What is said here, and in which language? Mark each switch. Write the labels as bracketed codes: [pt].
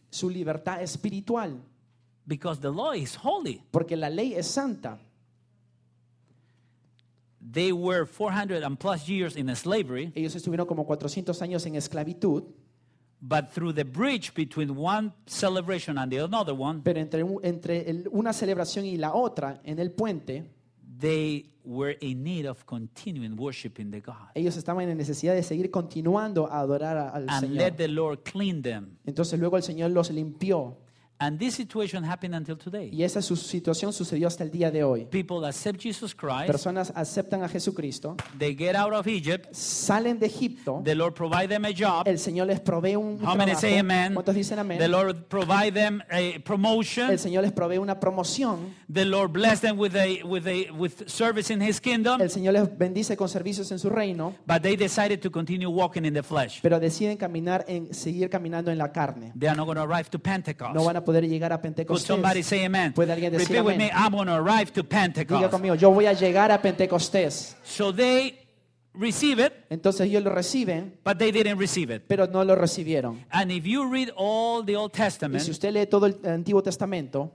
[es] su libertad espiritual, [en] because the law is holy, [es] porque la ley es santa. [en] They were 400 and plus years in slavery. [es] Ellos estuvieron como 400 años en esclavitud. [en] But through the bridge between one celebration and the other one, [es] pero entre una celebración y la otra en el puente, [en] they were in need of continuing worshiping the God. [es] Ellos estaban en necesidad de seguir continuando a adorar al Señor. [en] And let the Lord clean them. [es] Entonces luego el Señor los limpió. [en] And this situation happened until today. [es] Y esa situación sucedió hasta el día de hoy. [en] People accept Jesus Christ. [es] Personas aceptan a Jesucristo. [en] They get out of Egypt. [es] Salen de Egipto. [en] The Lord provide them a job. [es] El Señor les provee un [en] trabajo. How many say amen? [es] ¿Cuántos dicen amén? [en] The Lord provide them a promotion. [es] El Señor les provee una promoción. [en] The Lord bless them with service in His kingdom. [es] El Señor les bendice con servicios en su reino. [en] But they decided to continue walking in the flesh. [es] Pero deciden seguir caminando en la carne. [en] They are not going to arrive to Pentecost. [es] No van a poder llegar a Pentecostés. [en] Could somebody say amen? [es] ¿Puede alguien decir [en] repeat [es] amen? [en] With me, I'm going to arrive to Pentecost. [es] Diga conmigo, yo voy a llegar a Pentecostés. [en] So they receive it. [es] Entonces ellos lo reciben. [en] But they didn't receive it. [es] Pero no lo recibieron. [en] And if you read all the Old Testament, [es] y si usted lee todo el Antiguo Testamento,